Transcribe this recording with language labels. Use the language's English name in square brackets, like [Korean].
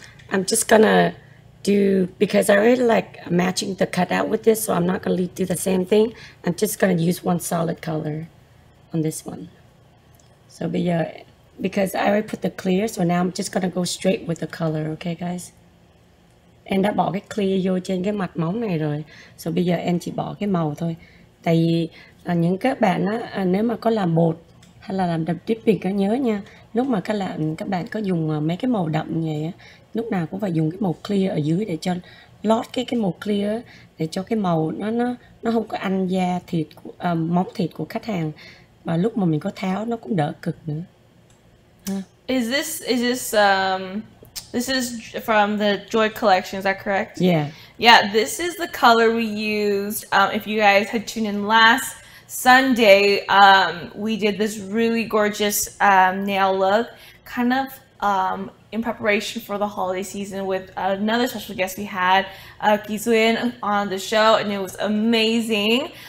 [English] I'm just gonna do, because I really like matching the cutout with this, so I'm not gonna do the same thing. I'm just gonna use one solid color on this one. So, but yeah, because I already put the clear, so now I'm just gonna go straight with the color, okay, guys? [Vietnamese] And đã bỏ cái clear vô trên cái mặt móng này rồi. So, bây giờ em chỉ bỏ cái màu thôi. Tại vì những các bạn á, nếu mà có làm bột hay là làm dripping, các nhớ nha, lúc mà các bạn có dùng mấy cái màu đậm như vậy á, lúc nào cũng phải dùng cái màu clear ở dưới để cho lót cái màu clear, để cho cái màu nó không có ăn da thịt, móng thịt của khách hàng, và lúc mà mình có tháo nó cũng đỡ cực nữa. [English] Is this from the Joy collection, is that correct? Yeah. Yeah, this is the color we used. If you guys had tuned in last Sunday, we did this really gorgeous nail look, kind of in preparation for the holiday season with another special guest we had, Kizuin, on the show, and it was amazing.